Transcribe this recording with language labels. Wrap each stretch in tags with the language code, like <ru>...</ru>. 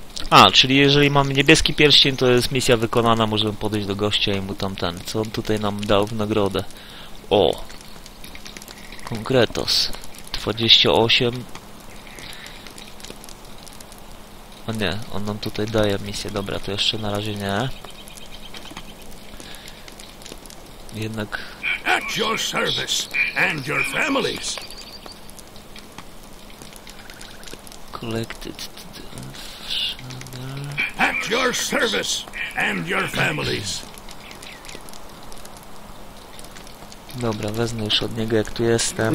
<pl>A, czyli jeżeli mamy niebieski pierścień, to jest misja wykonana, możemy podejść do gościa i mu tam ten, co on tutaj nam dał w nagrodę. O! Konkretos. 28. O nie, on nam tutaj daje misję, dobra, to jeszcze na razie nie. Jednak...</pl> <en>At your service and your families. Collected... At your service and your families.</en> <pl>Dobra, wezmę już od niego, jak tu jestem.</pl>